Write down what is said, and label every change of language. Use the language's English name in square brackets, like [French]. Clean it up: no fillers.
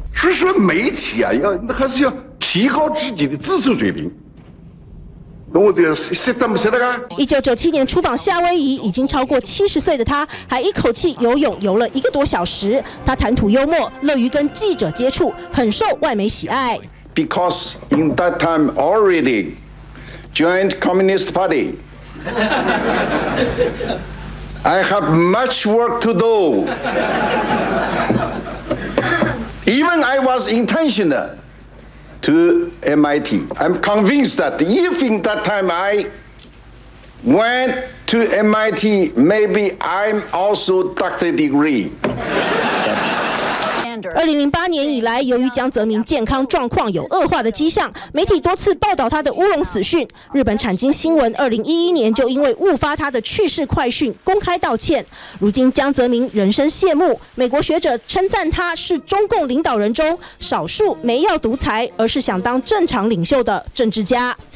[Chinese] 是说媒体啊，要那还是要提高自己的知识水平。懂我的意思，懂不懂得啊？ 1997年出访夏威夷，已经超过70岁的他，还一口气游泳游了1个多小时。他谈吐幽默，乐于跟记者接触，很受外媒喜爱。 [English] Because in that time already joined Communist Party. I have much work to do. Even I was intentional to MIT. I'm convinced that if in that time I went to MIT, maybe I'm also doctor degree. [Chinese] 2008年以来，由于江泽民健康状况有恶化的迹象，媒体多次报道他的乌龙死讯。日本产经新闻2011年就因为误发他的去世快讯公开道歉。如今江泽民人生谢幕，美国学者称赞他是中共领导人中少数没要独裁，而是想当正常领袖的政治家。